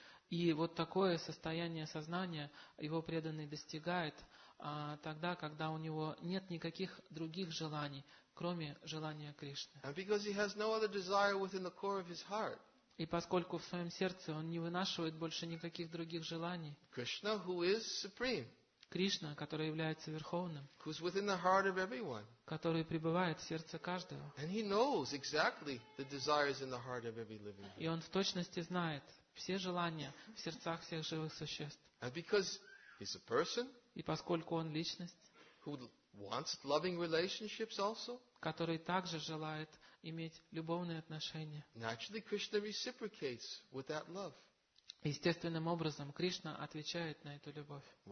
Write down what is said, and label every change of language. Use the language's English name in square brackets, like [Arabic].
[Russian] И вот такое состояние сознания его преданный достигает тогда, когда у него нет никаких других желаний, кроме желания Кришны. [English] And because he has no other desire within the core of his heart. [Russian] И поскольку в своем сердце он не вынашивает больше никаких других желаний, [English] Krishna, who is supreme, [Russian] Кришна, который является Верховным, [English] who's within the heart of everyone, [Russian] который пребывает в сердце каждого, [English] and he knows exactly the desires in the heart of every living being. [Russian] И он в точности знает все желания в сердцах всех живых существ. [English] And because he's a person, [Russian] и поскольку он личность, [English] who wants loving relationships also, [Russian] который также желает иметь любовные отношения. Естественным образом, Кришна отвечает на эту любовь.